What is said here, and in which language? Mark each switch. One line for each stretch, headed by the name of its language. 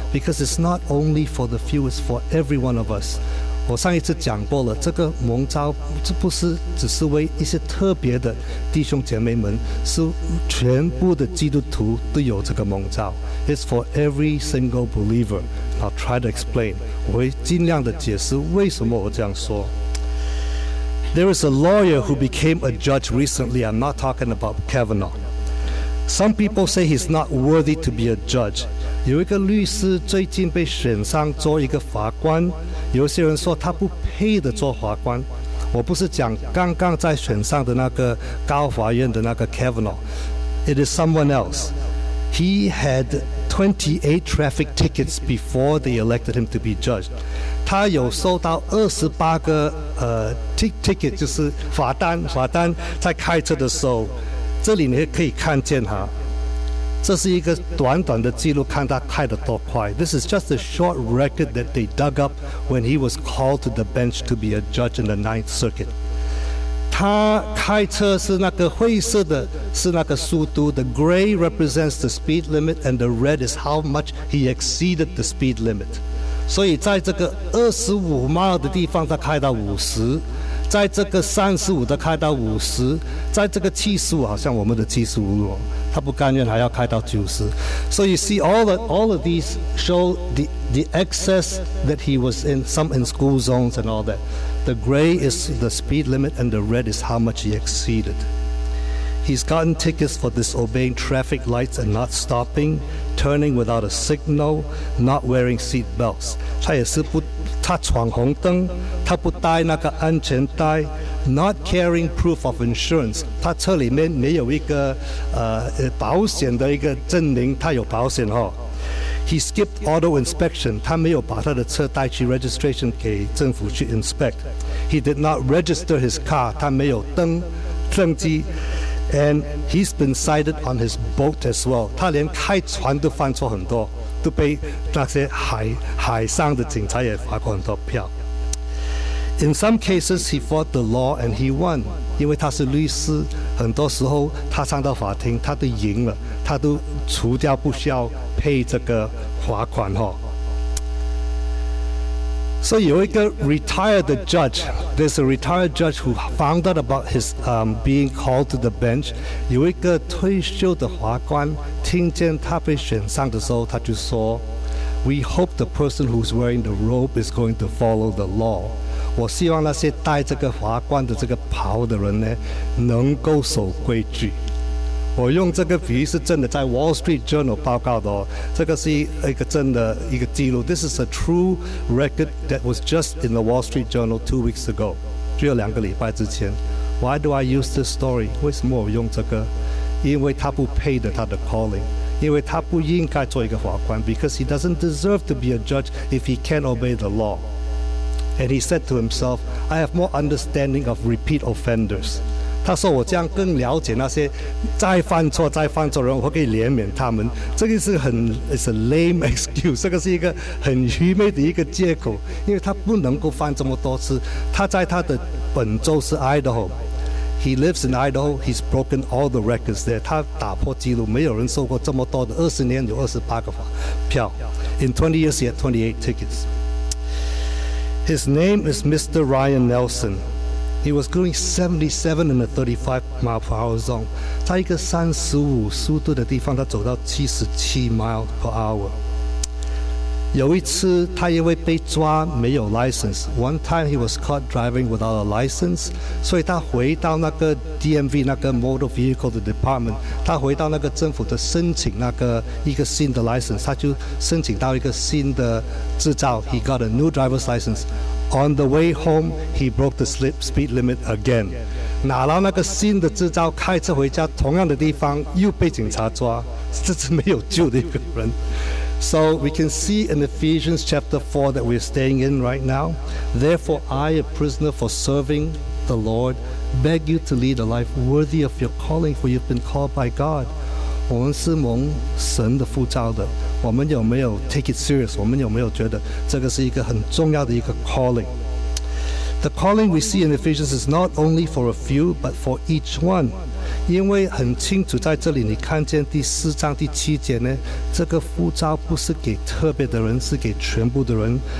English: Because it's not only for the few, it's for every one of us.
Chinese: 我上一次讲过了，这个蒙召这不是只是为一些特别的弟兄姐妹们，是全部的基督徒都有这个蒙召。
English: It's for every single believer. I'll try to explain.
Chinese: 我会尽量的解释为什么我这样说。
English: There is a lawyer who became a judge recently. I'm not talking about Kavanaugh. Some people say he's not worthy to be a judge.
Chinese: 有一个律师最近被选上做一个法官，有些人说他不配的做法官。我不是讲刚刚在选上的那个高法院的那个 Kavanaugh，
English: it is someone else. He had 28 traffic tickets before they elected him to be judge.
Chinese: 他有收到28个ticket， 就是罚单，在开车的时候，这里你可以看见哈。这是一个短短的记录，看他开得多快。
English: This is just a short record that they dug up when he was called to the bench to be a judge in the Ninth Circuit.
Chinese: 他开车是那个灰色的，是那个速度。
English: The gray represents the speed limit, and the red is how much he exceeded the speed limit.
Chinese: 所以在这个25 mile 的地方，他开到50。在这个35的开到50，在这个75，好像我们的75路，他不甘愿还要开到90。
English: So you see, all of these show the excess that he was in, some in school zones and all that. The gray is the speed limit, and the red is how much he exceeded. He's gotten tickets for disobeying traffic lights and not stopping, turning without a signal, not wearing seat belts.
Chinese: 他也是不。他闯红灯，他不带那个安全带 ，
English: not carrying proof of insurance，
Chinese: 他车里面没有一个保险的一个证明，他有保险哦。
English: He skipped auto inspection，
Chinese: 他没有把他的车带去 registration 给政府去 inspect。
English: He did not register his car，
Chinese: 他没有登记。
English: And he's been cited on his boat as well，
Chinese: 他连开船都犯错很多。都被那些海上的警察也罚过很多票。
English: In some cases, he fought the law and he won.
Chinese: 因为他是律师，很多时候他上到法庭，他都赢了，他都除掉不需要配这个罚款哈。
English: So
Chinese: 有一个
English: retired judge, there's a retired judge who found out about his being called to the bench.
Chinese: 有一个退休的法官听见他被选上的时候，他就说 ，
English: We hope the person who's wearing the robe is going to follow the law.
Chinese: 我希望那些戴这个法官的这个袍的人呢，能够守规矩。我用这个比喻是真的，在 Wall Street Journal 报告的哦，这个是一个真的一个记录。
English: This is a true record that was just in the Wall Street Journal 2 weeks ago，
Chinese: 只有两个礼拜之前。
English: Why do I use this story？
Chinese: 为什么我用这个？因为他不配得他的 calling， 因为他不应该做一个法官。
English: Because he doesn't deserve to be a judge if he can't obey the law。 And he said to himself， I have more understanding of repeat offenders。
Chinese: 他说我这样更了解那些再犯错人，我可以怜悯他们。这个是很
English: it's a lame excuse，
Chinese: 这个是一个很愚昧的一个借口，因为他不能够犯这么多次。他在他的本州是 Idaho，
English: he lives in Idaho， he's broken all the records there，
Chinese: 他打破记录，没有人收过这么多的，20年有28个票。
English: In 20 years he had 28 tickets。 His name is Mr. Ryan NelsonHe was going 77 in a 35 mile per hour zone.
Chinese: 在一个35速度的地方，他走到77 mile per hour. 有一次，他因为被抓没有
English: license. One time he was caught driving without a license.
Chinese: 所以他回到那个 DMV 那个 motor vehicle 的 department. 他回到那个政府的申请那个一个新的 license. 他就申请到一个新的执照。
English: He got a new driver's license. On the way home, he broke the speed limit again.
Chinese: 拿到那个新的执照，开车回家，同样的地方又被警察抓，这是没有救的一个人。
English: So we can see in Ephesians chapter 4 that we're staying in right now, Therefore, I, a prisoner for serving the Lord, beg you to lead a life worthy of your calling, for you've been called by God.
Chinese: 我们是蒙神的呼召的，我们有没有
English: take it serious?
Chinese: 我们有没有觉得这个是一个很重要的一个 calling?
English: The calling we see in Ephesians is not only for a few, but for each one.
Chinese: 因为很清楚在这里你看见第四章第七节呢，这个呼召不是给特别的人，是给全部的人。